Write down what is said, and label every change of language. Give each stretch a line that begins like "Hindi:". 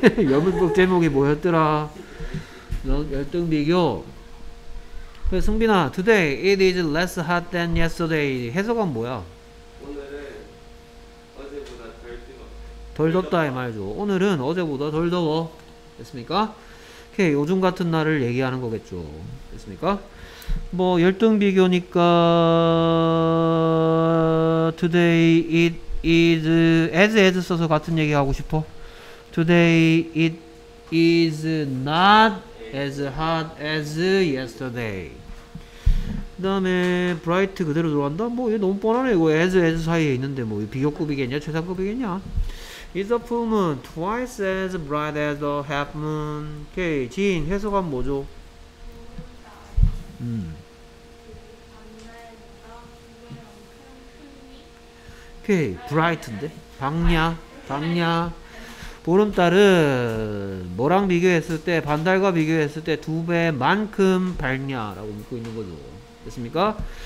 Korean: 여문법 제목이 뭐였더라? 열등 비교. 그래, 승빈아,
English: today it is less hot than yesterday.
Korean: 해석은 뭐야? 오늘은 어제보다 덜 뜨거. 덜 덥다 이 말이죠. 오늘은 어제보다 덜 더워. 됐습니까? 오케이, 요즘 같은 날을 얘기하는 거겠죠. 됐습니까? 뭐 열등 비교니까
English: today it is as
Korean: 써서 같은 얘기 하고 싶어.
English: Today it is not as hot as yesterday.
Korean: 그 다음에 bright 그대로 들어간다? 뭐 이거 너무 뻔하네. 이거 as 사이에 있는데 뭐 비교급이겠냐? 최상급이겠냐?
English: Is the full moon twice as bright as the half moon?
Korean: 오케이, 지인 해석은 뭐죠? 오케이, bright인데? 밝냐? 밝냐? 보름달은 뭐랑 비교했을 때, 반달과 비교했을 때 두 배만큼 밝냐라고 묻고 있는 거죠. 됐습니까?